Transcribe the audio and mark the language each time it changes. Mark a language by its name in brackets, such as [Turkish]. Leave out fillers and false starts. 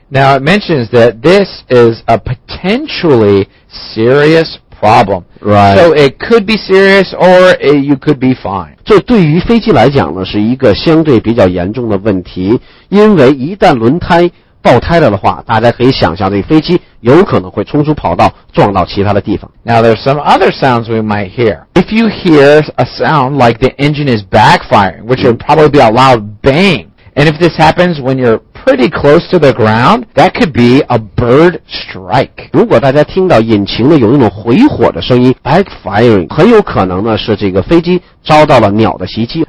[English] Now it mentions that this is a potentially serious problem. Right. So it could be serious or you could be fine. [Chinese] 这对于飞机来讲呢是一个相对比较严重的问题，因为一旦轮胎爆胎了的话，大家可以想象这飞机有可能会冲出跑道撞到其他的地方。 [English] Now there's some other sounds we might hear. If you hear a sound like the engine is backfiring, which would probably be a loud bang, and if this happens when you're pretty close to the ground, that could be a bird strike. [Chinese] 如果大家听到引擎呢有那种回火的声音 backfiring, 很有可能呢是这个飞机遭到了鸟的袭击。